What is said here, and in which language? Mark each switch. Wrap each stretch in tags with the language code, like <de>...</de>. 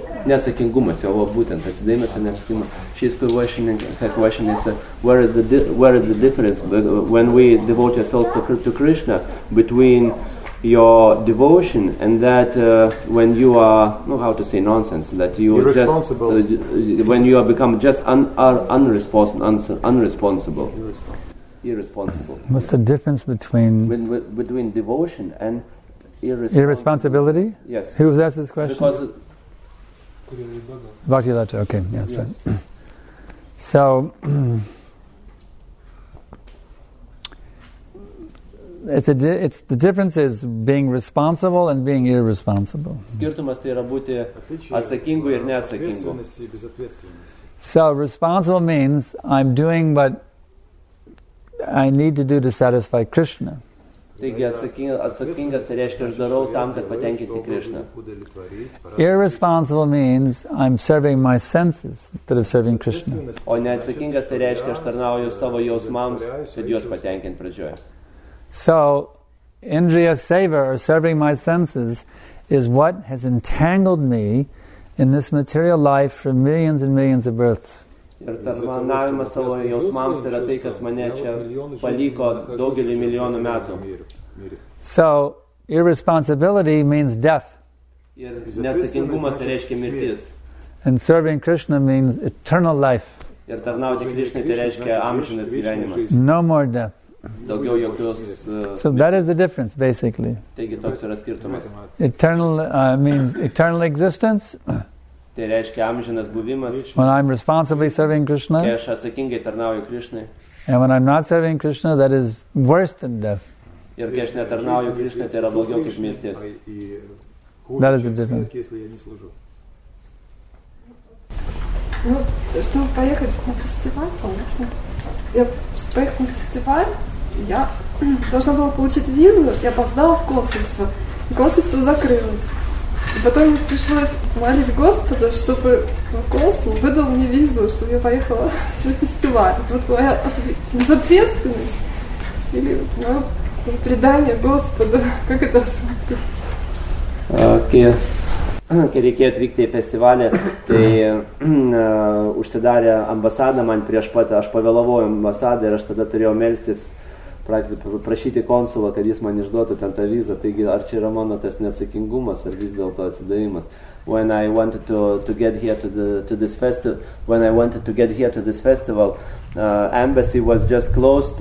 <lt>Neatsakingumas, jo buvo būtent tas dėmesio neatsakingumas.</lt> <en>She's questioning, her question is, where is the difference when we devote yourself to Krishna between your devotion and that when you are, no, how to say nonsense, that you are just, irresponsible. When you are become just unresponsible. irresponsible. What's the difference between between devotion and irresponsibility? Yes. Who was asked this question? Because Bhakti Lata. Okay, yeah, that's right. So, it's the difference is being responsible and being irresponsible.</en> <lt>Skirtumas tai yra būti atsakingu ir neatsakingu.</lt> <en>So responsible means I'm doing what I need to do to satisfy Krishna.</en> <lt>Taigi atsakingas tai reiškia, aš darau tam, kad patenkinti Krishna.</lt> <en>Irresponsible means I'm serving my senses instead of serving Krishna.</en> <lt>O neatsakingas tai reiškia, aš tarnauju savo jausmams, kad juos patenkinti pradžioje.</lt> <en>So, indriya seva, or serving my senses, is what has entangled me in this material life for millions and millions of births.</en> <lt>Ir tarnavimas savo jausmams yra tai, kas mane čia paliko daugelį milijonų metų.</lt> <en>So, irresponsibility means death.</en> <lt>Ir neatsakingumas tai reiškia mirtis.</lt> <en>And serving Krishna means eternal life.</en> <lt>Ir tarnauti Krishna tai reiškia amžinas gyvenimas.</lt> <en>No more death.</en> <lt>Daugiau jokios,</lt> <en>so that is the difference, basically.</en> <lt>Taigi, toks yra skirtumas.</lt> <en>Eternal means eternal existence.</en> <lt>Tai reiškia amžinas buvimas.</lt> <en>When I'm responsibly serving Krishna.</en> <lt>Kai aš atsakingai tarnauju Krishna.</lt> <en>And when I'm not serving Krishna, that is worse than death.</en> <lt>Ir kai aš netarnauju Krishna, tai yra blogiau kaip mirtis.</lt> <en>That is the difference.</en> <ru>Ну, чтобы поехать на фестиваль, конечно. Я поехала на фестиваль, я должна была получить визу, я опоздала в консульство, и консульство закрылось. И потом мне пришлось молить Господа, чтобы консул выдал мне визу, чтобы я поехала на фестиваль. Это вот моя безответственность или мое предание Господу, как это осмотреть? Окей.</ru> <lt>Kai reikėjo atvykti į festivalį, tai užsidarė ambasadą man prieš pat, aš pavėlavau ambasadą ir aš tada turėjau melstis, prašyti konsulą, kad jis man išduotų ten tą vizą. Taigi, ar čia yra mano tas neatsakingumas, ar vis dėl to atsidavimas?</lt> <en>When I wanted to get here to this festival, when I wanted to get here to this festival, embassy was just closed.</en>